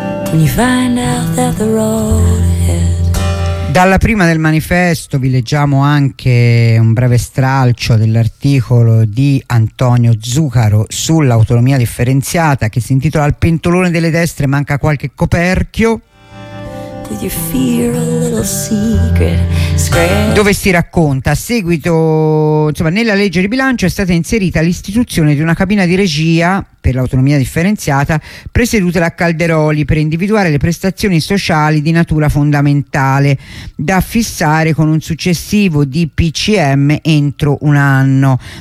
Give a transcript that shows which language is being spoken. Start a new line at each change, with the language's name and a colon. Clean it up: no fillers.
English: When you find out that the road ahead.
Italian: Dalla prima del manifesto vi leggiamo anche un breve stralcio dell'articolo di Antonio Zucaro sull'autonomia differenziata che si intitola Al pentolone delle destre manca qualche coperchio.
English: Did you fear a little secret?
Italian: Dove si racconta a seguito, insomma, nella legge di bilancio è stata inserita l'istituzione di una cabina di regia per l'autonomia differenziata presieduta da Calderoli per individuare le prestazioni sociali di natura fondamentale da fissare con un successivo DPCM entro un anno.